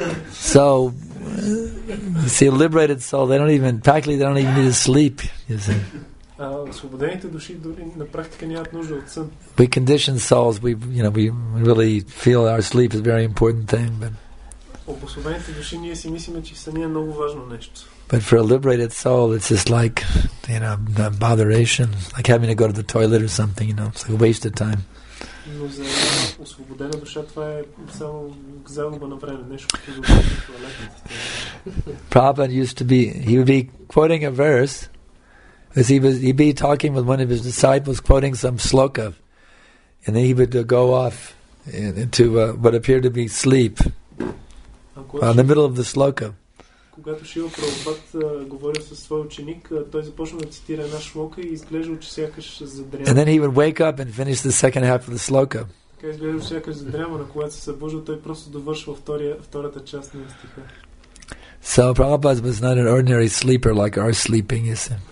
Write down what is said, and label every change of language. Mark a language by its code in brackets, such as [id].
[en] So, see, a liberated soul, they don't even, practically they don't even need to sleep, you see. [bg] освободените души дори на практика нямат нужда от сън. [en] We condition souls, we, you know, we really feel our sleep is a very important thing, but [bg] обособените души ние си мислим, че сън е много важно нещо. [en] But for a liberated soul, it's just like, you know, the botheration, like having to go to the toilet or something, you know, it's like a waste of time. [bg] Но за освободена душа това е само загуба на време, нещо като да туалетната. [en] Prabhupada used to be, he would be quoting a verse. As he was, he'd be talking with one of his disciples, quoting some sloka, and then he would go off into what appeared to be sleep in the middle of the sloka. [bg] Когато Шила Прабхупад говорил със свой ученик, той започна да цитира една шлока и изглеждал, че сякаш задрямал. [en] And then he would wake up and finish the second half of the sloka. [bg] Така изглеждал, че сякаш задрямал, но когато се събужда, той просто довършва втората част на стиха. [en] So Prabhupada was not an ordinary sleeper like our sleeping is.